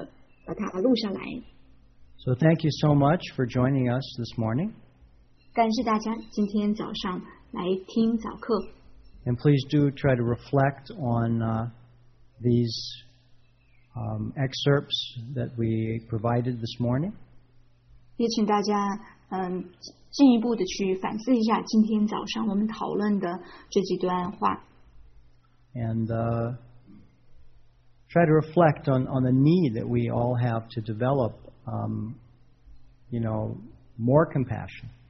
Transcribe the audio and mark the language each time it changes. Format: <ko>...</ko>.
<zh>不好意思，今天早上我们就只能讲到这儿了。我看到还有一个问题，我们就只能留到下次或者这周晚一些时候，我再把它录下来。</zh> <en>So thank you so much for joining us this morning.</en> <zh>感谢大家今天早上来听早课。</zh> <en>And please do try to reflect on these excerpts that we provided this morning.</en> <zh>也请大家进一步的去反思一下今天早上我们讨论的这几段话。</zh> <en>And try to reflect on the need that we all have to develop, more compassion.</en>